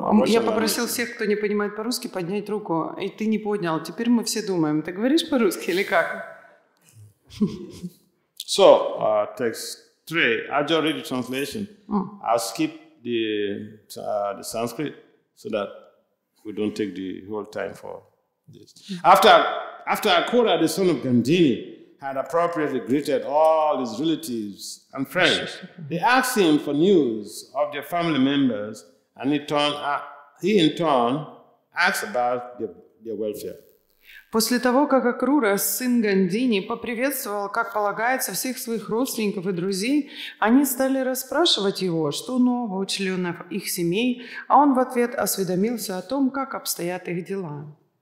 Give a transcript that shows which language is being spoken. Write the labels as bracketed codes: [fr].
[ru] Я попросил всех, кто не понимает по-русски, поднять руку, и ты не поднял. Теперь мы все думаем, ты говоришь по-русски или как? [en] So, text 3. I'll just read the translation. I'll skip the Sanskrit, so that we don't take the whole time for this. After Akoda, the son of Gandini, had appropriately greeted all his relatives and friends, they asked him for news of their family members, and he in turn asked about their welfare. [ru] После того, как Акрура, сын Гандини, поприветствовал, как полагается, всех своих родственников и друзей, они стали расспрашивать его, что нового у членов их семей, а он в ответ осведомился о том, как обстоят их дела.